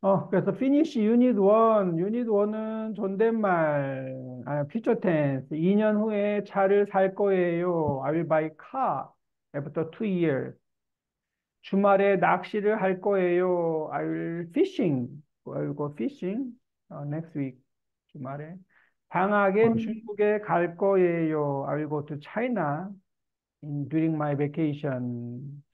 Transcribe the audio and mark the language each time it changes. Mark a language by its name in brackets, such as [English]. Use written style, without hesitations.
[English] 그래서 finish unit 1. [Korean] unit 1은 존댓말. 퓨처 텐스. 2년 후에 차를 살 거예요. [English] I will buy car after 2 years. [Korean] 주말에 낚시를 할 거예요. [English] I will fishing. I will go fishing next week. [Korean] 주말에. 방학에 중국에 갈 거예요. [English] I will go to China during my vacation.